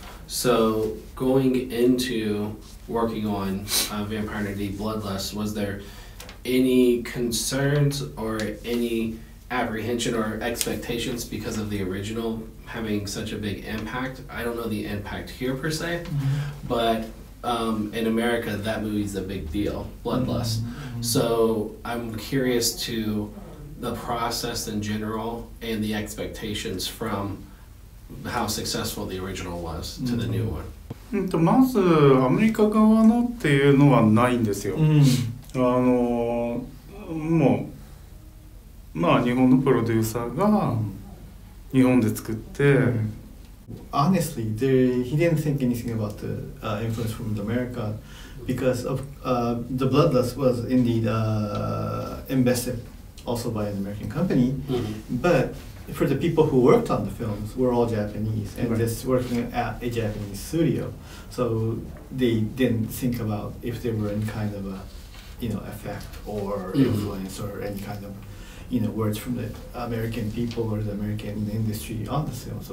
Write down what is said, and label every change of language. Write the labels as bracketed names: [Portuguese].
[English] So, going into working on Vampire Hunter D Bloodlust, was there any concerns or any apprehension or expectations because of the original having such a big impact? I don't know the impact here per se, mm-hmm. but in America, that movie's a big deal, Bloodlust. Mm-hmm. So I'm curious to the process in general and the expectations from how successful the original was to mm-hmm. the new one. [Japanese] まずアメリカ側のっていうのはないんですよ、うん、もうまあ日本のプロデューサーが日本で作って、うん、 [English] Honestly, he didn't think anything about the、influence from America because of、the Bloodlust was indeed、invested also by an American company、 mm-hmm. butFor the people who worked on the films, were all Japanese, and right. just working at a Japanese studio, so they didn't think about if there were any kind of a, you know, effect or influence or any kind of, you know, words from the American people or the American industry on the film.